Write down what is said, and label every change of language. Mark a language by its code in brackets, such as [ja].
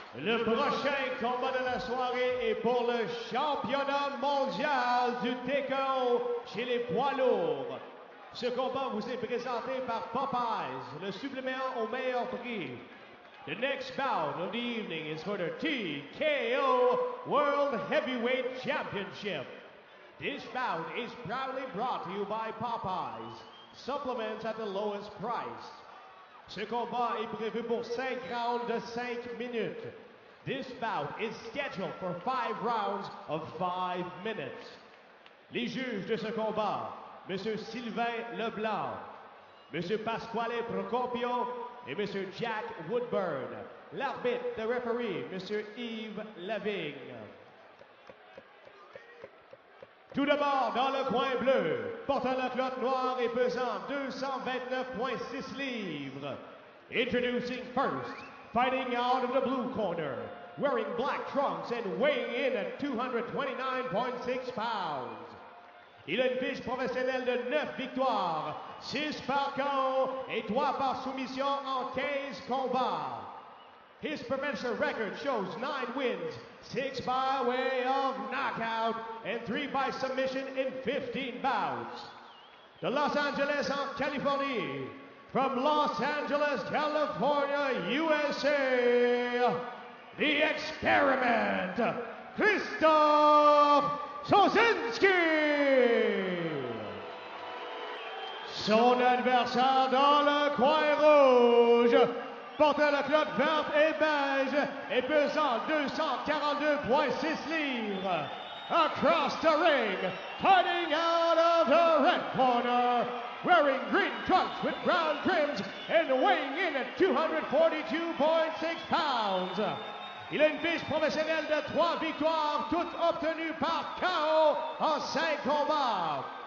[fr] Le prochain combat de la soirée est pour le championnat mondial du TKO chez les poids lourds. Ce combat vous est présenté par Popeyes, le supplément au meilleur prix. [en] The next bout of the evening is for the TKO World Heavyweight Championship. This bout is proudly brought to you by Popeyes, supplements at the lowest price. [fr] Ce combat est prévu pour 5 rounds de 5 minutes. [en] This bout is scheduled for 5 rounds of 5 minutes. [fr] Les juges de ce combat, M. Sylvain Leblanc, M. Pasquale Procopio et M. Jack Woodburn. L'arbitre, [en] the referee, [fr] M. Yves Laving. Tout d'abord, dans le coin bleu, portant la culotte noire et pesant 229.6 livres. [en] Introducing first, fighting out of the blue corner, wearing black trunks and weighing in at 229.6 pounds. [fr] Il a une fiche professionnelle de 9 victoires, 6 par KO et 3 par soumission en 15 combats. [en] His professional record shows 9 wins, 6 by way of knockout, and 3 by submission in 15 bouts. [fr] De Los Angeles en Californie, [en] from Los Angeles, California, USA, the experiment, Christophe Soszynski! [fr] Son adversaire dans le coin rouge, portant la culotte verte et beige et pesant 242.6 livres. [en] Across the ring, fighting out of the red corner, wearing green trunks with brown trims and weighing in at 242.6 pounds. [fr] Il a une fiche professionnelle de 3 victoires, toutes obtenues par KO en 5 combats.